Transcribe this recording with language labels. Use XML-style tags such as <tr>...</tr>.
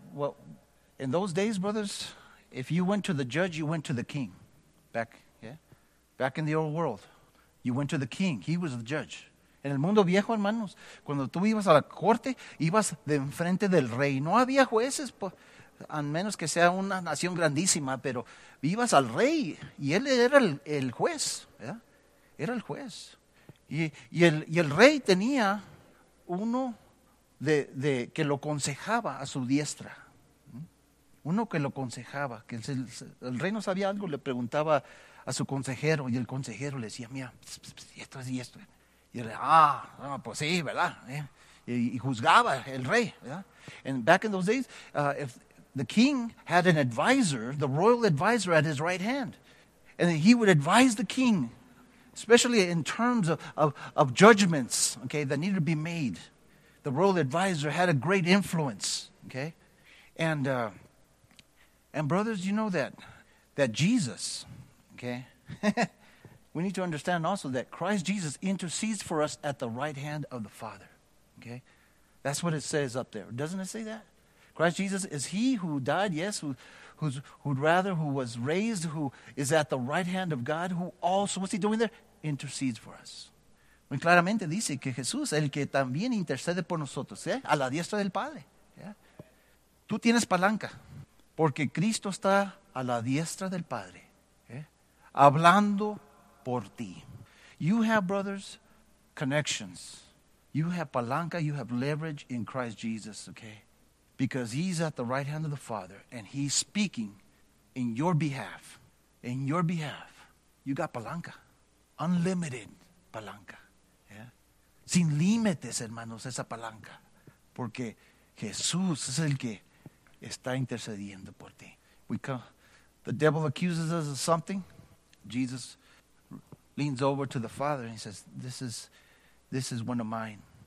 <en>Well, in those days, brothers, if you went to the judge, you went to the king. Back in the old world, you went to the king. He was the judge.</en> <es>En el mundo viejo, hermanos, cuando tú ibas a la corte, ibas de enfrente del rey. No había jueces, a menos que sea una nación grandísima, pero vivas al rey y él era el juez, ¿verdad? Era el juez. Y el rey tenía uno de que lo aconsejaba a su diestra. Uno que lo aconsejaba. Que el rey no sabía algo, le preguntaba a su consejero y el consejero le decía, mira, esto es y esto. Y él, pues sí, ¿verdad? Y juzgaba el rey, ¿verdad?</es> <en>And back in those days, the king had an advisor, the royal advisor at his right hand. And he would advise the king, especially in terms of judgments, okay, that needed to be made. The royal advisor had a great influence, okay? And brothers, you know that Jesus, okay? We need to understand also that Christ Jesus intercedes for us at the right hand of the Father, okay? That's what it says up there. Doesn't it say that? Christ Jesus is he who died, yes, who was raised, who is at the right hand of God, who also, what's he doing there? Intercedes for us.</en> <es>Muy claramente dice que Jesús, el que también intercede por nosotros, a la diestra del Padre. Yeah. Tú tienes palanca, porque Cristo está a la diestra del Padre, hablando por ti.</es> <en>You have, brothers, connections. You have palanca, you have leverage in Christ Jesus, okay? Because he's at the right hand of the Father and he's speaking in your behalf. In your behalf. You got palanca. Unlimited palanca. Yeah?</en> <es>Sin límites, hermanos, esa palanca. Porque Jesús es el que está intercediendo por ti.</es> <en>The devil accuses us of something. Jesus leans over to the Father and he says, this is one of mine.</en>